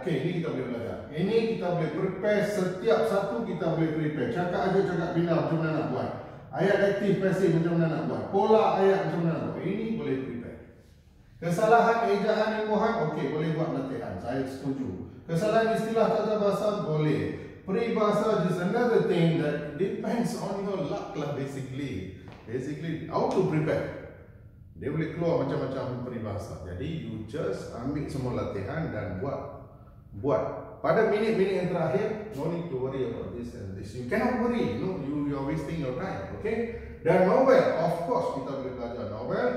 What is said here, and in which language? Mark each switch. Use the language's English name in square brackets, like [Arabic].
[Malay] Okay, ini kita boleh belajar. Ini kita boleh prepare. Setiap satu kita boleh prepare. Cakap aja, cakap bina macam mana nak buat. Ayat aktif, pasif macam mana nak buat. Pola ayat macam mana nak buat. Ini boleh prepare. Kesalahan ejaan imbuhan. Okay, boleh buat latihan. Saya setuju. Kesalahan istilah tata bahasa. Boleh. [English] Peribahasa is another thing that depends on your luck lah basically. Basically, how to prepare. [Malay] Dia boleh keluar macam-macam peribahasa. Jadi, [English] you just [Malay] ambil semua latihan dan buat. Pada minit-minit yang terakhir, [English] no need to worry about this and this. You cannot worry. No, you are wasting your time. Okay? [Malay] Dan novel. [English] Of course, [Malay] kita boleh belajar novel.